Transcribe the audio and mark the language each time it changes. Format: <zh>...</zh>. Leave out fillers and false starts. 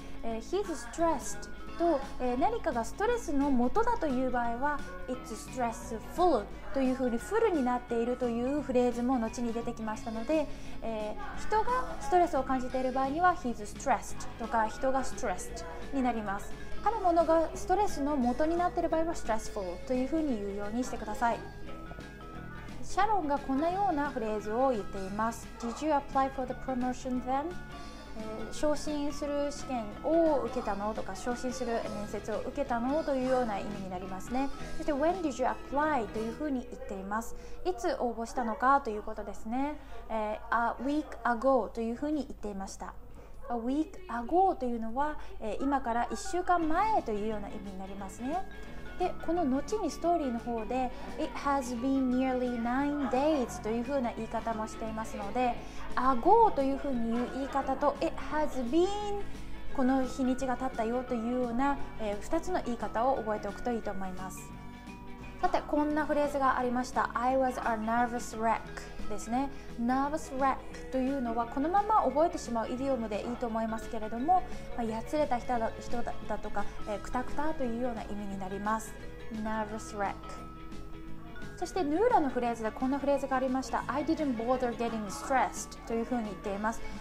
<en>He's stressed</en> <ja>と、何かがストレスの元だという場合は</ja> <en>It's stressful</en> <ja>というふうにフルになっているというフレーズも後に出てきましたので、人がストレスを感じている場合には</ja> <en>He's stressed</en> <ja>とか人が stressed になります。あるものがストレスの元になっている場合は stressful というふうに言うようにしてください。シャロンがこんなようなフレーズを言っています。</ja> <en>Did you apply for the promotion then?</en> <ja>昇進する試験を受けたのとか、昇進する面接を受けたのというような意味になりますね。そして</ja> <en>When did you apply?</en> <ja>というふうに言っています。いつ応募したのかということですね。</ja> <en>A week ago</en> <ja>というふうに言っていました。A week ago というのは、今から1週間前というような意味になりますね。でこの後にストーリーの方で</ja> <en>It has been nearly 9 days</en> <ja>というふうな言い方もしていますので、 ago というふうに言う言い方と</ja> <en>It has been</en> <ja>この日にちが経ったよというような、2つの言い方を覚えておくといいと思います。さてこんなフレーズがありました。</ja> <en>I was a nervous wreck</en> <ja>ですね。</ja> <en>Nervous wreck</en> <ja>というのはこのまま覚えてしまうイディオムでいいと思いますけれども、まあ、やつれた人だとか、クタクタというような意味になります。</ja> <en>Nervous wreck。</en> <ja>そしてヌーラのフレーズでこんなフレーズがありました。</ja> <en>I didn't bother getting stressed</en> <ja>というふうに言っています。</ja>